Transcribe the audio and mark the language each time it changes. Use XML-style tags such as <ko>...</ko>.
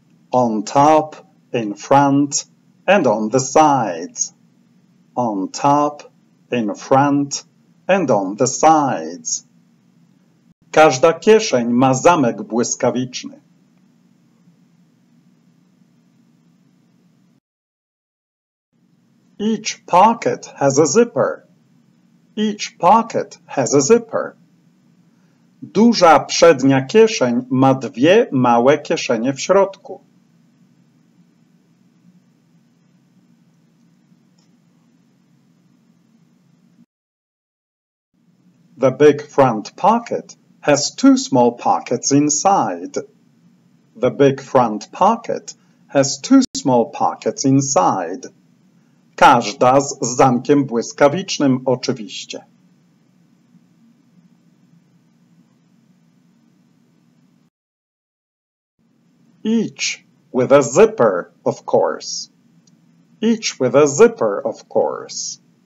<en>On top, in front, and on the sides. On top, in front, and on the sides.</en> <pl>Każda kieszeń ma zamek błyskawiczny.</pl> <en>Each pocket has a zipper. Each pocket has a zipper.</en> <pl>Duża przednia kieszeń ma dwie małe kieszenie w środku.</pl> <en>The big front pocket has two small pockets inside. The big front pocket has two small pockets inside.</en> <pl>Każda z zamkiem błyskawicznym, oczywiście.</pl> <en>Each with a zipper, of course. Each with a zipper, of course.</en>